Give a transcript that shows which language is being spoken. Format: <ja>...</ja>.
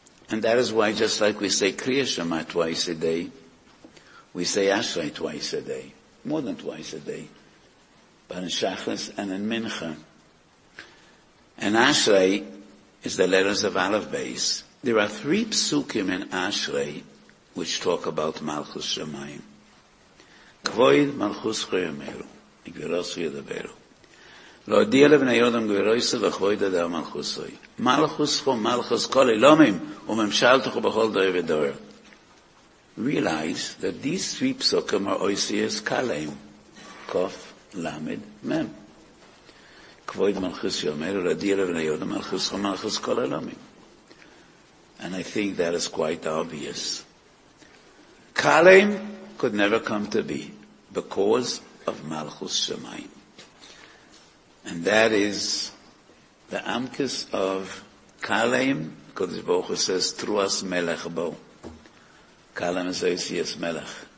<en>And that is why, just like we say Kriya Shema twice a day, we say Ashrei twice a day, more than twice a day, but in Shachris and in Mincha. And Ashrei is the letters of Aleph Beis. There are 3 psukim in Ashrei which talk about Malchus Shemayim.</en> <he>Kvoid Malchus Choyameru, Igverosu Yedaberu. להודיע לבני יודם גבירוי סלחוי דדה מלכוסוי. מלכוס חום, מלכוס כל אילומים, וממשל תוכו בכל דוי ודוי.</he> <en>Realize that these 3 פסוקים are אויסייס קלעים.</en> <he>קוף, למד, מם. כבוד מלכוס יאמר, להודיע לבני יודם מלכוס חום, מלכוס כל אילומים.</he> <en>And I think that is quite obvious. קלעים could never come to be because of מלכוס שמיים. And that is the amkus of Kalem. Kodesh Baruch Hu says,</en> <he>Truas Melech Bo.</he> <en>Kalem is Oisiyas Melech.</en>